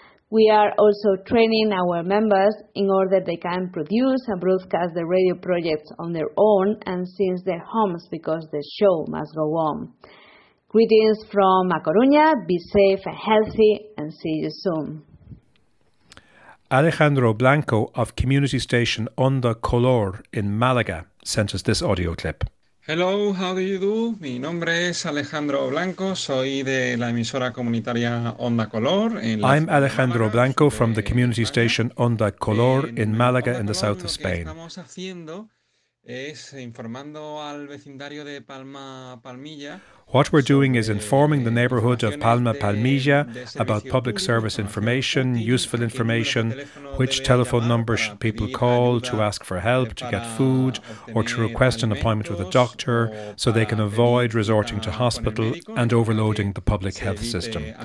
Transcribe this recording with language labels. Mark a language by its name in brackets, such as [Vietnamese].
[English] We are also training our members in order they can produce and broadcast the radio projects on their own and since their homes because the show must go on. Greetings from A Coruña, be safe and healthy, and see you soon. Alejandro Blanco of community station Onda Color in Malaga sent us this audio clip. Hello, how do you do? [Spanish] Mi nombre es Alejandro Blanco, soy de la emisora comunitaria Onda Color. [English] I'm Alejandro Blanco from the community station Onda Color in Malaga in the south of Spain. [Spanish] Lo que estamos haciendo es informando al vecindario de Palmilla. [English] What we're doing is informing the neighborhood of Palma Palmilla about public service information, useful information, which telephone number should people call to ask for help, to get food, or to request an appointment with a doctor so they can avoid resorting to hospital and overloading the public health system.